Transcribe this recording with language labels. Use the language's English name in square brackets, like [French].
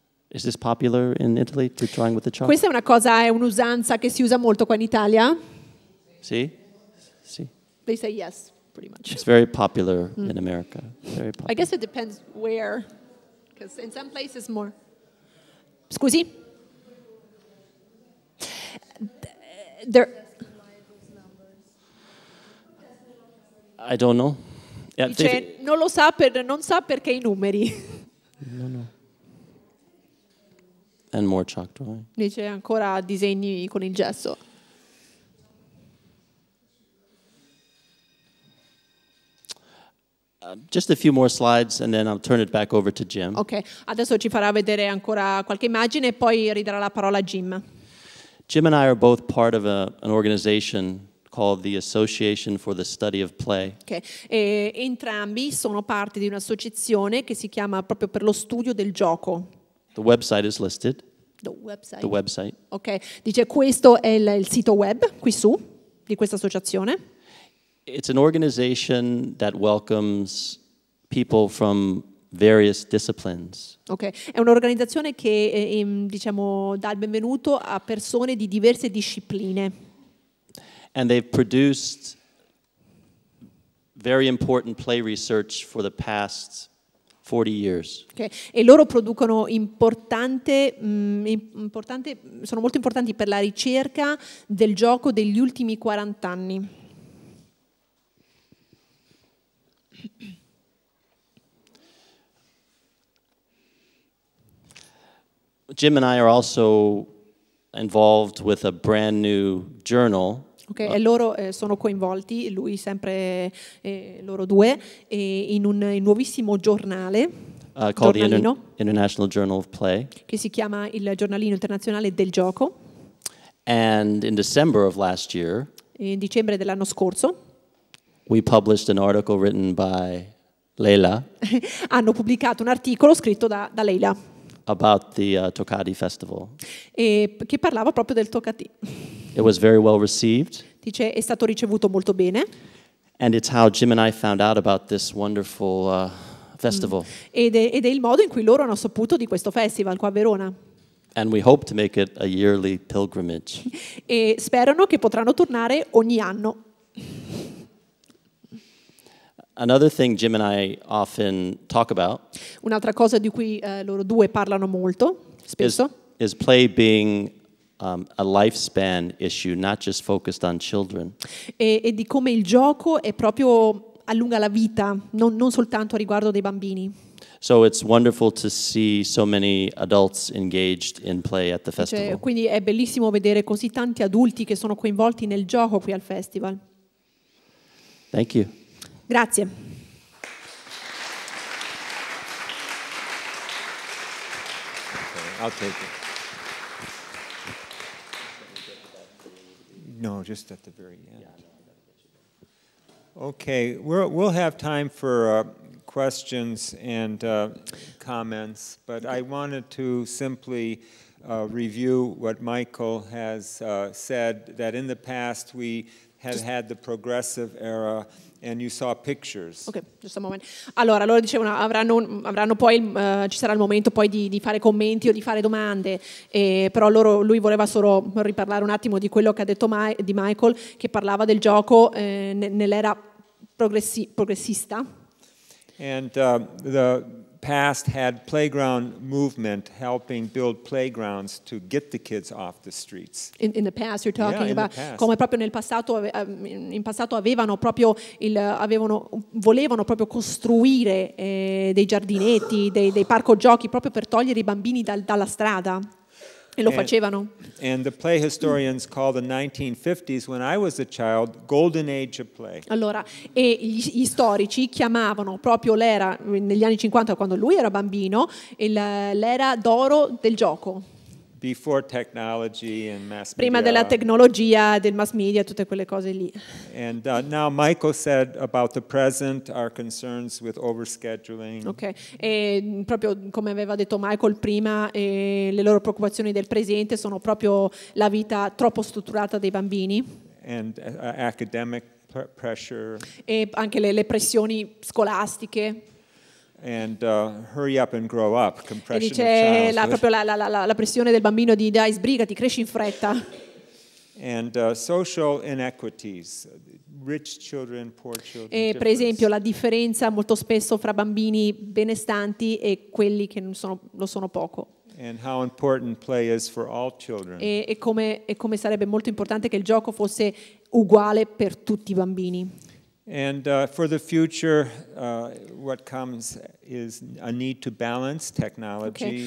[English] Is this popular in Italy to drawing with the chalk? [Italian] Questa è una cosa, è un'usanza che si usa molto qua in Italia. Sì? Sì. [English] They say yes, pretty much. It's very popular in America. Very popular. I guess it depends where, because in some places more. [Italian] Scusi? [English] There. I don't know. [Italian] Yeah, dice, non sa perché i numeri. No. [English] And more chalk drawing. [Italian] Dice ancora disegni con il gesso. [English] Just a few more slides and then I'll turn it back over to Jim. [Italian] Okay, adesso ci farà vedere ancora qualche immagine e poi ridarà la parola a Jim. [English] Jim and I are both part of an organization called the Association for the Study of Play. Okay. [Italian] Entrambi sono parte di un'associazione che si chiama proprio per lo studio del gioco. [English] The website is listed. The website. Okay. [Italian] Dice questo è il sito web qui su di questa associazione. [English] It's an organization that welcomes people from various disciplines. Okay. [Italian] È un'organizzazione che diciamo dà il benvenuto a persone di diverse discipline. [English] And they've produced very important play research for the past 40 years. Okay. [Italian] E loro producono importante, sono molto importanti per la ricerca del gioco degli ultimi 40 anni. [English] Jim and I are also involved with a brand new journal. [Italian] Ok, e loro sono coinvolti, lui sempre, loro due, in un nuovissimo giornale, [English] International Journal of Play, [Italian] che si chiama il giornalino internazionale del gioco. [English] And in December of last year, [Italian] in dicembre dell'anno scorso, [English] we published an article written by Leila. [Italian] Hanno pubblicato un articolo scritto da Leila. [English] About the Toccati Festival. [Italian] E che parlava proprio del Toccati. [English] It was very well received. [Italian] Dice è stato ricevuto molto bene. [English] And it's how Jim and I found out about this wonderful festival. [Italian] Ed è il modo in cui loro hanno saputo di questo festival qua a Verona. [English] And we hope to make it a yearly pilgrimage. [Italian] E sperano che potranno tornare ogni anno. [English] Another thing Jim and I often talk about. [Italian] Un'altra cosa di cui loro due parlano molto spesso. [English] Is play being a lifespan issue, not just focused on children. [Italian] E di come il gioco è proprio allunga la vita, non soltanto riguardo dei bambini. [English] So it's wonderful to see so many adults engaged in play at the festival. [Italian] Cioè, quindi è bellissimo vedere così tanti adulti che sono coinvolti nel gioco qui al festival. [English] Thank you. [Italian] Grazie. [English] Okay, I'll take it. No, just at the very end. Okay, we'll have time for questions and comments, but I wanted to simply review what Michael has said, that in the past we have had the progressive era. And you saw pictures. Ok, just a moment. [Italian] Allora, loro dicevano avranno poi ci sarà il momento poi di fare commenti o di fare domande. Però lui voleva solo riparlare un attimo di quello che ha detto di Michael, che parlava del gioco nell'era progressista. [English] And the past had playground movement helping build playgrounds to get the kids off the streets. In the past you're talking about [Italian] come proprio nel passato in passato avevano proprio volevano proprio costruire dei giardinetti, dei parco giochi proprio per togliere i bambini dalla strada. E lo facevano. [English] And the play historians call the 1950s, when I was a child, golden age of play. [Italian] Allora, e gli storici chiamavano proprio l'era negli anni 50, quando lui era bambino, l'era d'oro del gioco. [English] Before technology and mass media. [Italian] Prima della tecnologia, del mass media, tutte quelle cose lì. [English] And now Michael said about the present, our concerns with overscheduling. [Italian] Ok, e proprio come aveva detto Michael prima, le loro preoccupazioni del presente sono proprio la vita troppo strutturata dei bambini. [English] And academic pressure. [Italian] E anche le pressioni scolastiche. [English] And hurry up and grow up. Compression. [Italian] E dice proprio la pressione del bambino di dai sbrigati, cresci in fretta. [English] And social inequities, rich children, poor children. [Italian] E difference. Per esempio la differenza molto spesso fra bambini benestanti e quelli che non sono lo sono poco. [English] And how important play is for all children. [Italian] E come sarebbe molto importante che il gioco fosse uguale per tutti i bambini. [English] And for the future, what comes is a need to balance technology.